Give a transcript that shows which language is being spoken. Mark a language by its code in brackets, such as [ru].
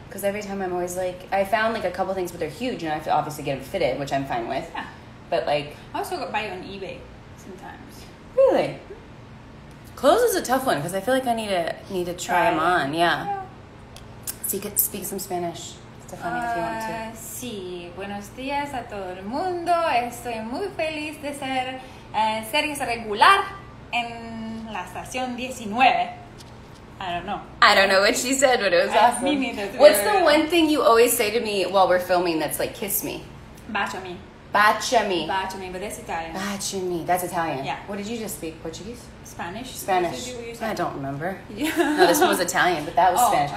[en] Because every time I'm always like, I found like a couple things, but they're huge, and I have to obviously get them fitted, which I'm fine with. Yeah. But like. I also go buy on eBay sometimes. Really? Mm-hmm. Clothes is a tough one, because I feel like I need to try them on. Yeah. So you could speak some Spanish, Stefania, if you want to. [es] Sí. Buenos días a todo el mundo. Estoy muy feliz de ser series regular en la estación 19. [en] I don't know what she said, but it was awesome. Me neither. What's the one thing you always say to me while we're filming that's like, kiss me? [it] Baciami. Baciami. [en] Baciami, but that's Italian. Baciami. That's Italian. Yeah. What did you just speak? Portuguese? Spanish. I don't remember. Yeah. No, this one was Italian, but that was Spanish.